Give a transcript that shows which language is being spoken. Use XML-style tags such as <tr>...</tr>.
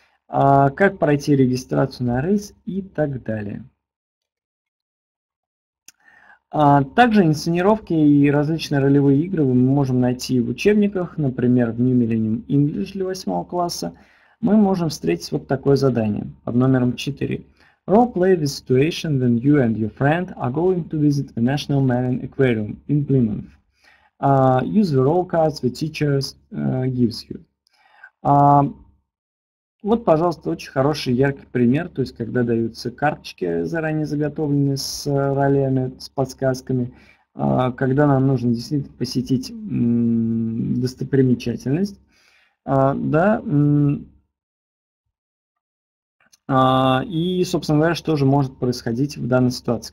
<ru>Как пройти регистрацию на рейс и так далее. Также инсценировки и различные ролевые игры мы можем найти в учебниках, например, в New Millennium English для 8 класса. Мы можем встретить вот такое задание под номером 4.</ru> <en>Role play the situation when you and your friend are going to visit the National Marine Aquarium in Plymouth. Use the role cards the teachers gives you.</en> <ru>Вот, пожалуйста, очень хороший яркий пример, то есть когда даются карточки заранее заготовленные с ролями, с подсказками, когда нам нужно действительно посетить достопримечательность. И, собственно говоря, что же может происходить в данной ситуации?</ru>